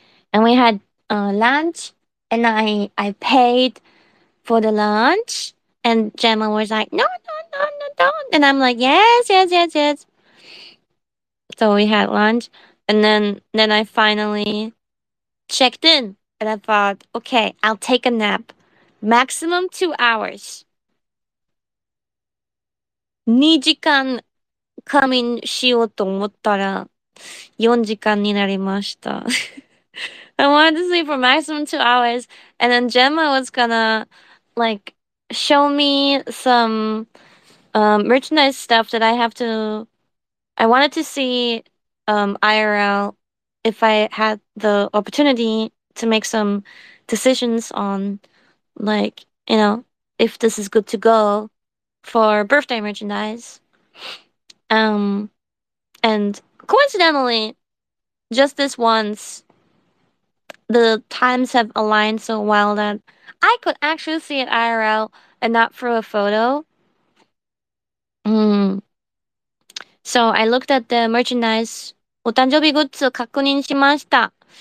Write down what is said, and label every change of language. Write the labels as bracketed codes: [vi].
[en] And we had lunch, and I paid for the lunch, and Jenma was like, no, don't. And I'm like, yes. So we had lunch, and then I finally checked in, and I thought, okay, I'll take a nap. Maximum 2 hours. [ja] 2時間仮眠しようと思ったら4時間になりました。 [en] I wanted to sleep for maximum 2 hours. And then Gemma was gonna, like, show me some merchandise stuff that I wanted to see IRL if I had the opportunity to make some decisions on, like, if this is good to go for birthday merchandise. And coincidentally, just this once, the times have aligned so well that I could actually see it IRL and not through a photo. So I looked at the merchandise. [ja] お誕生日グッズ確認しました。